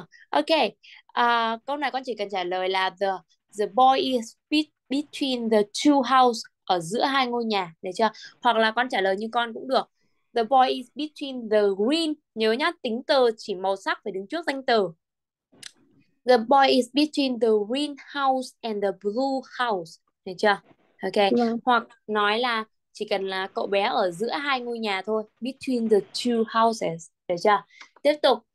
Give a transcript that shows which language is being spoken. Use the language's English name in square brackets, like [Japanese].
[Vietnamese] Ok. Câu này con chỉ cần trả lời là [English] the boy is between the two house, [Vietnamese] ở giữa hai ngôi nhà, được chưa? Hoặc là con trả lời như con cũng được. [English] The boy is between the green. [Vietnamese] Nhớ nhá, tính từ chỉ màu sắc phải đứng trước danh từ. [English] The boy is between the green house and the blue house, [Vietnamese] được chưa? Ok, hoặc nói là chỉ cần là cậu bé ở giữa hai ngôi nhà thôi, [English] between the two houses, [Vietnamese] được chưa? Tiếp tục.